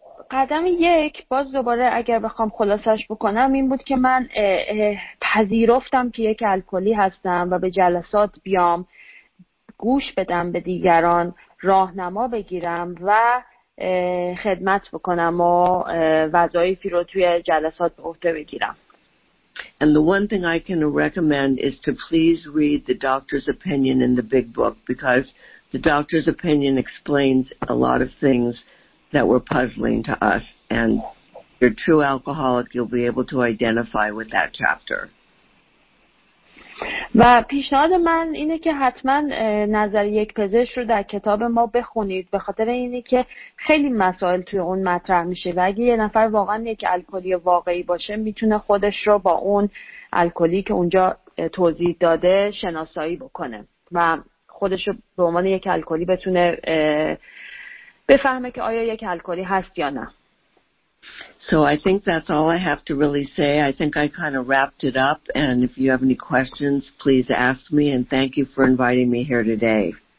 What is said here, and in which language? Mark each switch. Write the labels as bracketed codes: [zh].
[fa] قدم یک، باز دوباره اگر بخوام خلاصش بکنم، این بود که من پذیرفتم که یک الکلی هستم و به جلسات بیام، گوش بدم به دیگران، راهنما بگیرم و خدمت بکنم و وظایفی رو توی جلسات به عهده بگیرم. [en] And the one thing I can recommend is to please read the doctor's opinion in the big book, because the doctor's opinion explains a lot of things that were puzzling to us, and your true alcoholic, you'll be able to identify with that chapter. [fa] و پیشنهاد من اینه که حتما نظر یک پزشک رو در کتاب ما بخونید، به خاطر اینه که خیلی مسائل توی اون مطرح میشه و اگه یه نفر واقعا یک الکلی واقعی باشه، میتونه خودش رو با اون الکلی که اونجا توضیح داده شناسایی بکنه و خودش رو به عنوان یک الکلی بتونه بفهمه که آیا یک الکلی هست یا نه. [en] So I think that's all I have to really say. I think I kind of wrapped it up, and if you have any questions, please ask me, and thank you for inviting me here today.